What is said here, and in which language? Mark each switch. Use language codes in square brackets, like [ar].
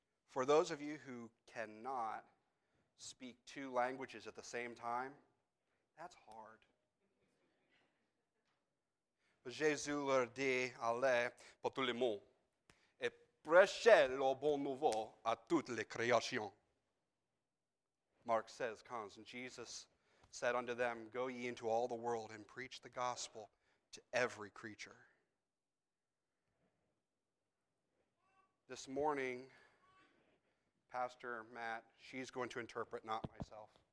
[en] For those of you who cannot speak two languages at the same time, that's hard. [fr] Jésus leur dit, allez pour tout le monde et prêchez le bon nouveau à toute la création. [en] Mark says, comes, and Jesus said unto them, go ye into all the world and preach the gospel to every creature. This morning, Pastor Matt, she's going to interpret, not myself.